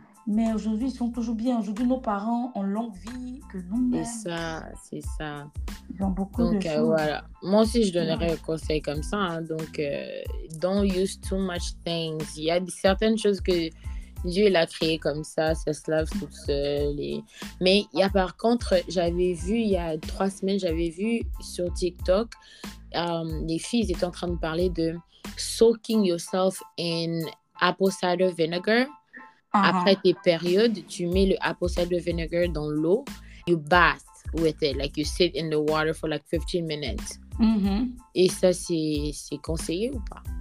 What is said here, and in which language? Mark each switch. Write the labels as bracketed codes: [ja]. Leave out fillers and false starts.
[fr] Mais aujourd'hui, ils sont toujours bien. Aujourd'hui, nos parents ont longue vie que nous-mêmes. C'est ça. Ils ont beaucoup donc, de choses. Donc, voilà. Moi aussi, je donnerais un conseil comme ça. Hein. [en] Donc, don't use too much things. [fr] Il y a certaines choses que Dieu l'a créées comme ça. Ça se lave tout seul. Mais il y a par contre, j'avais vu il y a 3 semaines, j'avais vu sur TikTok, les filles étaient en train de parler de [en] soaking yourself in apple cider vinegar. [fr] Uh-huh. Après tes périodes, tu mets le apple cider vinegar dans l'eau. [en] You bath with it. Like you sit in the water for like 15 minutes. Mm-hmm. [fr] Et ça, c'est conseillé ou pas?